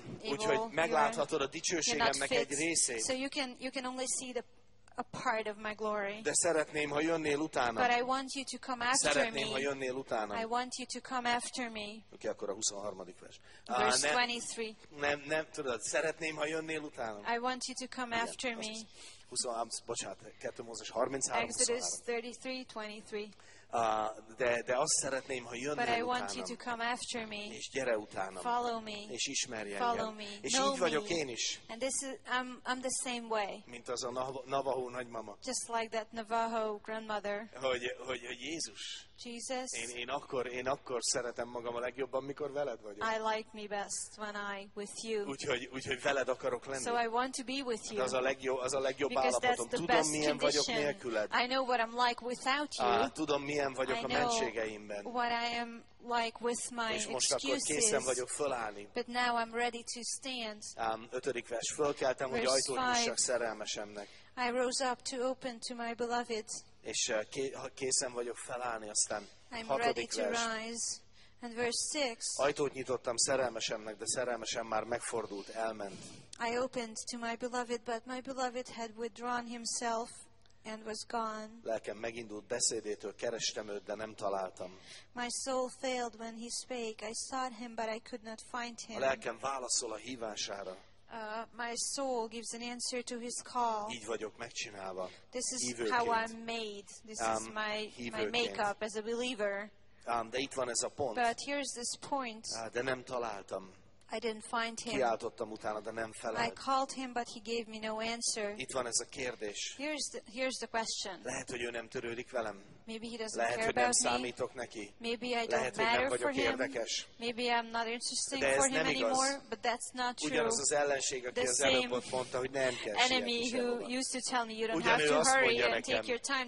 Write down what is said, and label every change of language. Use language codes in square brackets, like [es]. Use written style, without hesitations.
[hu] Úgyhogy megláthatod a dicsőségemnek egy részét. [en] So you can only see the a part of my glory. [hu] De szeretném, ha jönnél utána. [en] But I want you to come after [hu] szeretném, [en] me. [hu] Szeretném, ha jönnél utána. [en] I want you to come after me. [hu] Okay, akkor a 23. vers. [en] Verse 23. [hu] Nem tudod, szeretném, ha jönnél utána. [en] I want you to come [hu] igen, [en] after me. [hu] 23, bocsánat, 2. Mózes 33. [en] Exodus 33:23. [hu] De azt szeretném, ha jönnél utánam. [en] But I want you to come after me. [hu] És gyere utánam. [en] Follow me. [hu] És ismerj engem. [en] Follow me. [hu] És így vagyok én is. [en] And this is I'm the same way. [hu] Mint az a Navajo nagymama. [en] Just like that Navajo grandmother. [hu] Hogy Jézus. [en] Jesus. [hu] Én akkor szeretem magam a legjobban, mikor veled vagyok. [en] I like me best when I with you. [hu] Úgyhogy veled akarok lenni. [en] So I want to be with you. [hu] De az a legjobb [en] because [hu] állapotom. [en] That's the [hu] tudom, [en] best [hu] milyen [en] condition. [hu] Vagyok nélküled. [en] I know what I'm like without you. [hu] Tudom, milyen vagyok a mentségeimben. [en] What I am like with my [hu] és most [en] excuses, [hu] akkor készen vagyok fölállni. [en] But now I'm ready to stand. [hu] 5. vers. Fölkeltem, hogy ajtót nyissak szerelmesemnek. [en] I rose up to open to my beloved. [hu] És készen vagyok felállni, aztán 6. vers. [en] Rise. And verse 6. [hu] Ajtót nyitottam szerelmesemnek, de szerelmesem már megfordult, elment. [en] I opened to my beloved, but my beloved had withdrawn himself and was gone. [hu] Lelkem megindult beszédétől, kerestem őt, de nem találtam. [en] My soul failed when he spake. I sought him, but I could not find him. [hu] A lelkem válaszol a hívására. [en] My soul gives an answer to his call. [hu] Így vagyok megcsinálva. [en] This is [hu] hívőként. [en] How I'm made. This is my makeup as a believer. [hu] De itt van ez a pont. [en] But here's this point. [hu] De nem találtam. [en] I didn't find him. [hu] Kiáltottam utána, de nem felelt. [en] I called him, but he gave me no answer. [hu] Itt van ez a kérdés. [en] Here's the question. [hu] Lehet, hogy ő nem törődik velem. [en] Maybe he doesn't [hu] lehet, [en] care [hu] hogy [en] about [hu] nem számítok [en] me. [hu] Neki. [en] Maybe I [hu] lehet, [en] don't [hu] hogy [en] matter [hu] nem vagyok [en] for [hu] érdekes. [en] Him. Maybe I'm not interesting [hu] de ez [en] for him [hu] nem [en] anymore, [hu] igaz. [en] But that's not true. [hu] Ugyanaz az ellenség, aki [en] the [hu] az előbb mondta, hogy nem kell [en] enemy who used to tell me you don't have to hurry and take your time.